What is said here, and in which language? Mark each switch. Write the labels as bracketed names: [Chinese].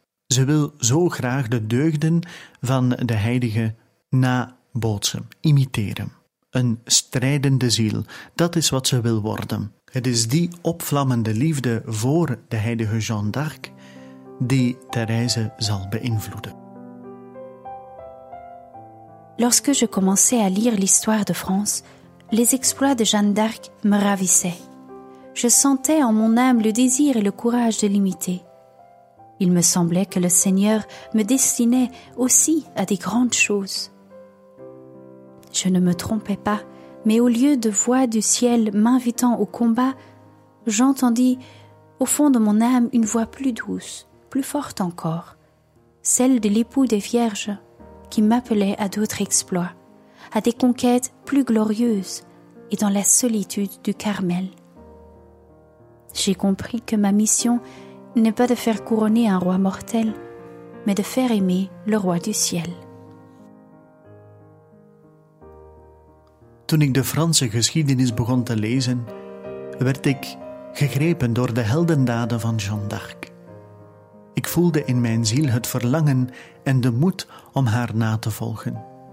[Dutch] Ze wil zo graag de deugden van de heilige nabootsen, imiteren. Een strijdende ziel, dat is wat ze wil worden. Het is die opvlammende liefde voor de heilige Jeanne d'Arc die Therese zal beïnvloeden. [French] Lorsque je commençais à lire l'histoire de France, les exploits de Jeanne d'Arc me ravissaient. Je sentais en mon âme le désir et le courage de l'imiter. Il me semblait que le Seigneur me destinait aussi à des grandes choses. Je ne me trompais pas, mais au lieu de voix du ciel m'invitant au combat, j'entendis au fond de mon âme une voix plus douce, plus forte encore, celle de l'époux des Vierges, qui m'appelait à d'autres exploits, à des conquêtes plus glorieuses et dans la solitude du Carmel. J'ai compris que ma mission n'est pas de faire couronner un roi mortel, mais de faire aimer le roi du ciel. [Dutch] Toen ik de Franse geschiedenis begon te lezen, werd ik gegrepen door de heldendaden van Jeanne d'Arc. Ik voelde in mijn ziel het verlangen en de moed om haar na te volgen.